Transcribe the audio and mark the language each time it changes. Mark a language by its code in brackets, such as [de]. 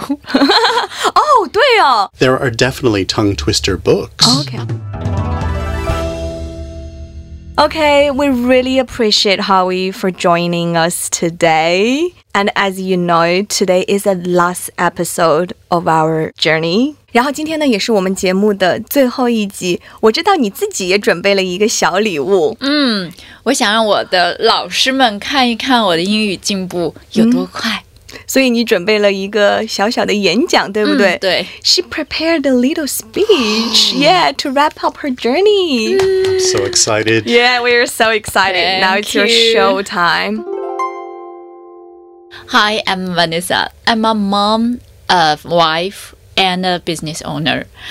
[zh] Oh, 对哦。 [en] There are definitely tongue twister books. Okay, we really appreciate Howie for joining us today. And as you know, today is the last episode of our journey. [zh] 然后今天呢也是我们节目的最后一集。我知道你自己也准备了一个小礼物。嗯，我想让我的老师们看一看我的英语进步有多快。嗯，所以你准备了一个小小的演讲，对不对？嗯，对。 [en] She prepared a little speech, yeah, to wrap up her journey. So excited. Yeah, we are so excited. Now it's you. Your show time. Hi, I'm Vanessa. I'm a mom, a wife, and a business owner.